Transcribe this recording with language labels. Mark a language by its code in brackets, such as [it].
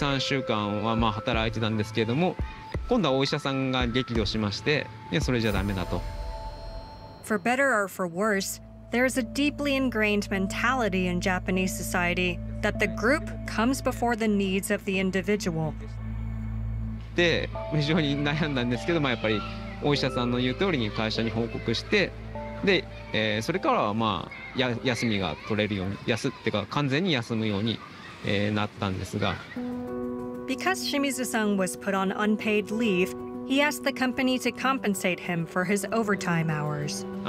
[ja] こう、会社全体に人がいない状態で、自分が今抜けたら、このお店誰が受け持つのか、そこから2、3週間は働いてたんですけれども、 [en] For better or for worse, there is a deeply ingrained mentality in Japanese society that the group comes before the needs of the individual. [ja] で、非常に悩んだんですけど、やっぱりお医者さんの言う通りに会社に報告して、で、それからは休みが取れるように、休っていうか完全に休むようになったんですが。 [en] Because Shimizu-san was put on unpaid leave, he asked the company to compensate him for his overtime hours.